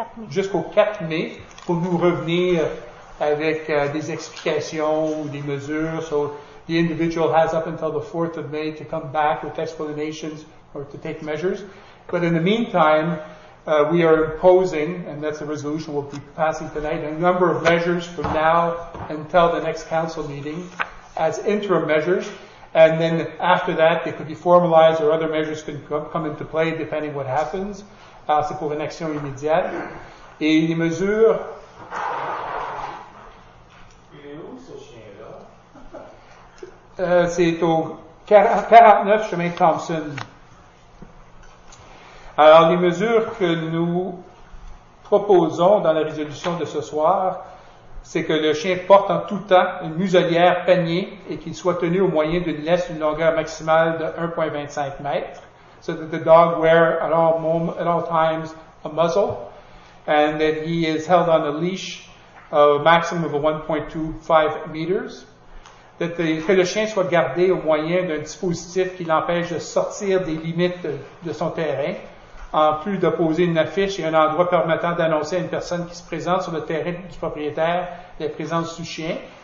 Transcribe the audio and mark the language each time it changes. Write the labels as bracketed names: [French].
[French] Jusqu'au 4 mai pour nous revenir avec des explications ou des mesures. [English] So, the individual has up until the 4th of May to come back with explanations or to take measures. But in the meantime, we are imposing, and that's the resolution we'll be passing tonight, a number of measures from now until the next council meeting as interim measures. And then after that, they could be formalized or other measures can come into play depending what happens. [French] C'est pour une action immédiate. Et les mesures... Il est où, ce chien-là? C'est au 49 chemin Thompson. Alors, les mesures que nous proposons dans la résolution de ce soir, c'est que le chien porte en tout temps une muselière panier et qu'il soit tenu au moyen d'une laisse d'une longueur maximale de 1,25 mètres. [English] So that the dog wear at all times a muzzle, and that he is held on a leash of a maximum of 1.25 meters. [French] Que le chien soit gardé au moyen d'un dispositif qui l'empêche de sortir des limites de son terrain, en plus de poser une affiche et un endroit permettant d'annoncer à une personne qui se présente sur le terrain du propriétaire la présence du chien.